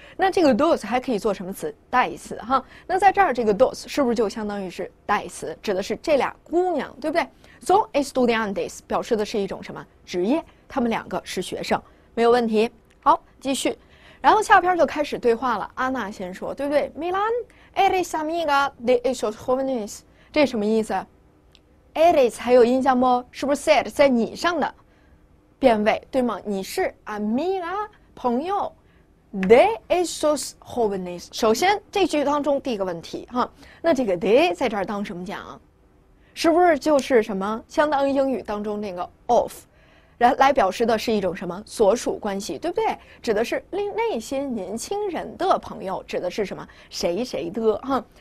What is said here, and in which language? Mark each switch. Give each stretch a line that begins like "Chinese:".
Chinese: 那这个 dos 还可以做什么词？代词哈。那在这儿这个 dos 是不是就相当于是代词，指的是这俩姑娘，对不对？
Spanish: son estudiantes
Chinese: 表示的是一种什么职业？他们两个是学生，没有问题。好，继续。然后下边就开始对话了，安娜先说，对不对？
Spanish: Milan eres amiga de esos jóvenes， 这什么意思？
Chinese: eres 还有印象不？是不是 said 在你上的变位，对吗？你是 amiga 朋友
Spanish: de esos jóvenes。
Chinese: 首先这句当中第一个问题哈，那这个 de 在这儿当什么讲？是不是就是什么相当于英语当中那个 of，来表示的是一种什么所属关系，对不对？指的是那些年轻人的朋友，指的是什么谁谁的哈。